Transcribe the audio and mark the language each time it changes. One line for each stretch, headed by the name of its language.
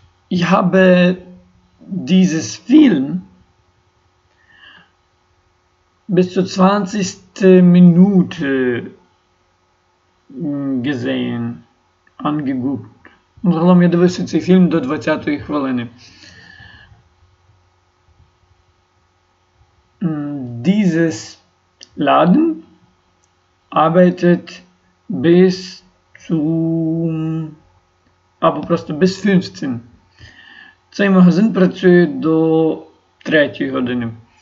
German: Ich habe dieses Film bis zur 20. Minute gesehen, angeguckt.
Ukrainian: Загалом я дивився цей фільм до 20-ї хвилини.
German: Dieses Laden arbeitet bis zum,
Ukrainian: або просто
German: bis 15.
Ukrainian: Цей магазин працює до 3-ї години.